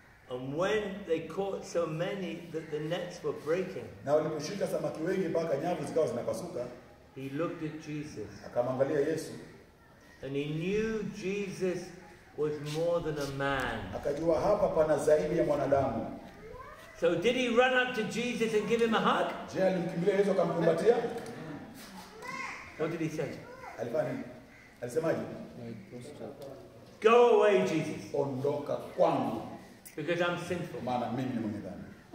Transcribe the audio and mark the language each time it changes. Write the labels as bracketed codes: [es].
[en] And when they caught so many that the nets were breaking. [sw] Na waliposhika samaki wengi mpaka nyavu zikawa zinapasuka. [en] He looked at Jesus. [sw] Akamwangalia Yesu. [en] And he knew Jesus was more than a man. [sw] Akajua hapa pana zaidi ya mwanadamu. [en] So did he run up to Jesus and give him a hug? [sw] Je, alimkimbilia Yesu akamkumbatia? [en] What did he say? [sw] Alifanya. Alisemaje? [en] Go away, Jesus. [sw] Ondoka kwangu. [en] Because I'm sinful. [sw] Maana mimi ni mwenye dhambi.